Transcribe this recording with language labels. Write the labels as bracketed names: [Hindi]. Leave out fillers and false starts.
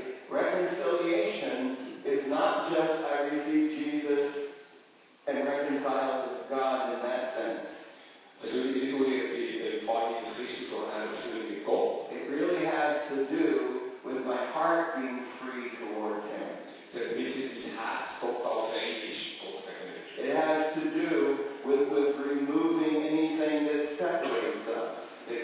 [English] Reconciliation is not just I received Jesus and reconciled with God in that sense. [German] Versöhnung ist nicht nur die Empfang Jesus Christus, sondern eine Versöhnung mit Gott. [English] It really has to do with my heart being free towards Him. It has to do with removing anything that separates us.